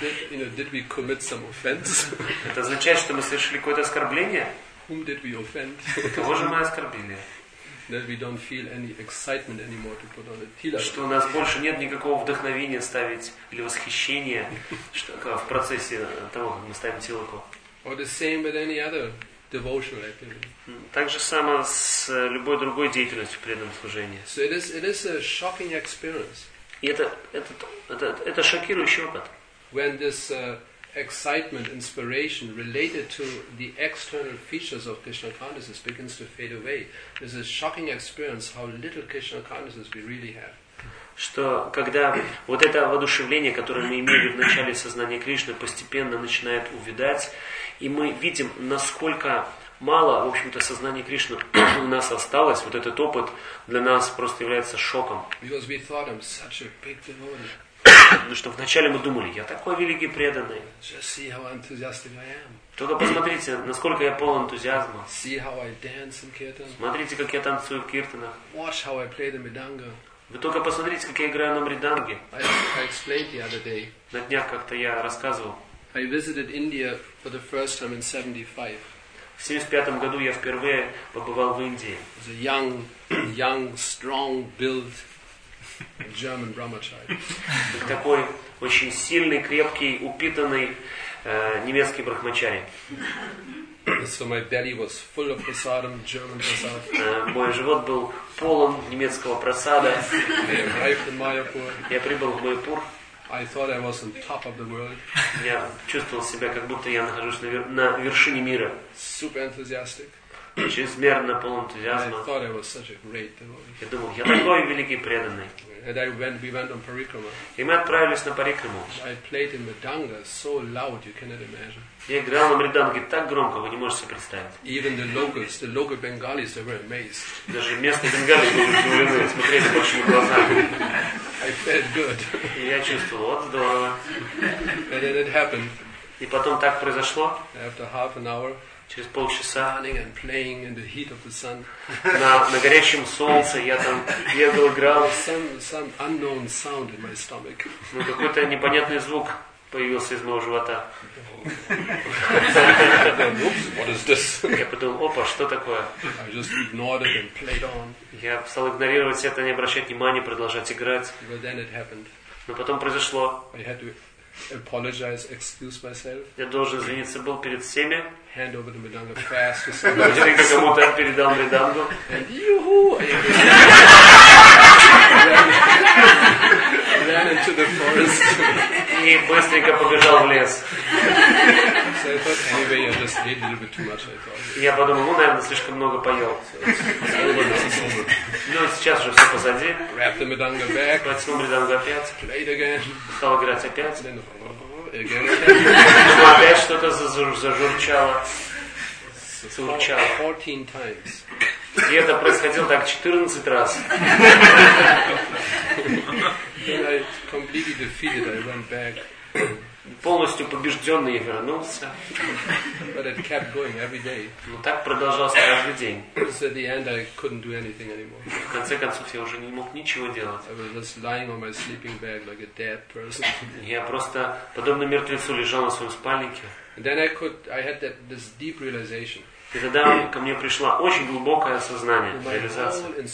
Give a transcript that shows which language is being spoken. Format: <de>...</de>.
<en>You know, did we commit some offense?</en> <ru>Это означает, что мы совершили какое-то оскорбление?</ru> <en>Whom did we offend?</en> <ru>Кого же мы оскорбили?</ru> <en>That we don't feel any excitement anymore to put on a tilak.</en> <ru>Что у нас больше нет никакого вдохновения ставить или восхищения, что в процессе того, как мы ставим тилаку.</ru> <en>Or the same with any other devotional activity.</en> <ru>Так же само с любой другой деятельностью преданном служении.</ru> <en>So it is a shocking experience.</en> <ru>И это шокирующий опыт.</ru> <en>When this excitement, inspiration related to the external features of Krishna consciousness begins to fade away, this is a shocking experience how little Krishna consciousness we really have.</en> <ru>Что когда вот это воодушевление, которое мы имели в начале сознания Кришны, постепенно начинает увядать, и мы видим, насколько мало, в общем-то, сознания Кришны у нас осталось, вот этот опыт для нас просто является шоком.</ru> <en>Because we thought I'm such a big devotee.</en> <ru>Потому что вначале мы думали, я такой великий преданный.</ru> <en>Just see how enthusiastic I am.</en> <ru>Только посмотрите, насколько я полон энтузиазма.</ru> <en>See how I dance in kirtan.</en> <ru>Смотрите, как я танцую в киртанах.</ru> <en>Watch how I play the mridanga.</en> <ru>Вы только посмотрите, как я играю на мриданге.</ru> <en>I explained the other day.</en> <ru>На днях как-то я рассказывал.</ru> <en>I visited India for the first time in 75.</en> <ru>В 75 году я впервые побывал в Индии.</ru> <en>As a young, strong build. German brahmachari.</en> <ru>Такой очень сильный, крепкий, упитанный немецкий брахмачари.</ru> <en>So my belly was full of prasadam, German prasad.</en> <ru>Мой живот был полон немецкого просада.</ru> <en>I arrived in Mayapur.</en> <ru>Я прибыл в Майпур.</ru> <en>I thought I was on top of the world.</en> <ru>Я чувствовал себя, как будто я нахожусь на вершине мира.</ru> <en>Super enthusiastic.</en> <ru>Чрезмерно полон энтузиазма.</ru> <en>I thought I was such a great devotee.</en> <ru>Я думал, я такой великий преданный.</ru> <en>And we went on parikrama.</en> <ru>И мы отправились на парикраму.</ru> <en>I played in mridanga so loud you cannot imagine.</en> <ru>Я играл на мриданге так громко, вы не можете себе представить.</ru> <en>Even the local Bengalis, they were amazed.</en> <ru>Даже местные бенгали были удивлены, смотрели большими глазами.</ru> <en>I felt good.</en> <ru>И я чувствовал, вот здорово.</ru> <en>And then it happened.</en> <ru>И потом так произошло.</ru> <en>After half an hour.</en> <ru>Через полчаса.</ru> <en>Running and playing in the heat of the sun.</en> <ru>На горячем солнце я там бегал, играл.</ru> <en>Some unknown sound in my stomach.</en> <ru>Ну какой-то непонятный звук появился из моего живота.</ru> <en>Oops, what is this?</en> <ru>Я подумал, опа, что такое?</ru> <en>I just ignored it and played on.</en> <ru>Я стал игнорировать это, не обращать внимания, продолжать играть.</ru> <en>But then it happened.</en> <ru>Но потом произошло.</ru> <en>I had to apologize, excuse myself.</en> <ru>Я должен извиниться был перед всеми.</ru> <en>Hand over the mridanga fast to somebody.</en> <ru>Я кому-то передал мридангу.</ru> <en>And yoo-hoo! Ran into the forest.</en> <ru>И быстренько побежал в лес.</ru> <en>So I thought, anyway, you just ate a little bit too much, I thought.</en> <ru>Я подумал, ну, наверное, слишком много поел. Но сейчас уже все позади.</ru> <en>Wrap the mridanga back.</en> <ru>Протянул мридангу опять.</ru> <en>Played again.</en> <ru>Стал играть опять.</ru> <en>Then again.</en> <ru>Опять что-то зажурчало. Зурчало.</ru> <en>14 times.</en> <ru>И это происходило так 14 раз.</ru> <en>Then I completely defeated, I went back.</en> <ru>Полностью побежденный я вернулся.</ru> <en>But it kept going every day.</en> <ru>Но так продолжалось каждый день.</ru> <en>So at the end I couldn't do anything anymore.</en> <ru>В конце концов я уже не мог ничего делать.</ru> <en>I was just lying on my sleeping bag like a dead person.</en> <ru>Я просто подобно мертвецу лежал на своем спальнике.</ru> <en>And then I had this deep realization.</en> <ru>И тогда ко мне пришло очень глубокое осознание, реализация.</ru>